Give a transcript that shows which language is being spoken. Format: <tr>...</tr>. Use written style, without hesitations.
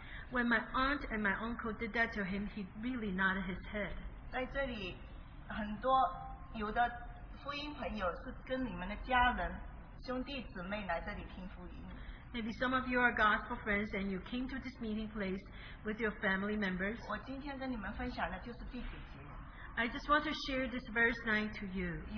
<en>When my aunt and my uncle did that to him, he really nodded his head.</en> <zh>在这里, 很多, 有的福音朋友是跟你们的家人, 兄弟姊妹来这里听福音。</zh> <en>Maybe some of you are gospel friends and you came to this meeting place with your family members. I just want to share this verse 9 to you.</en>